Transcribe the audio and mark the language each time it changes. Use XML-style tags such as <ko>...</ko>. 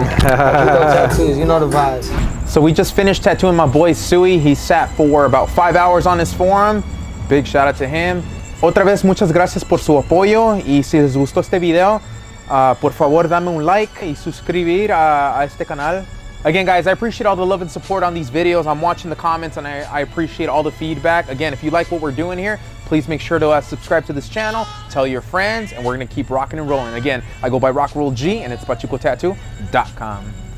<en>Tattoos, you know the vibes. So we just finished tattooing my boy Sui. He sat for about 5 hours on his forearm. Big shout out to him.</en> <es>Otra vez, muchas gracias por su apoyo. Y si les gustó este video, por favor, dame un like y suscribir a este canal.</es> <en>Again, guys, I appreciate all the love and support on these videos. I'm watching the comments and I appreciate all the feedback. Again, if you like what we're doing here, please make sure to subscribe to this channel, tell your friends, and we're gonna keep rocking and rolling. Again, I go by RockRollG and it's PachucoTattoo.com.</en>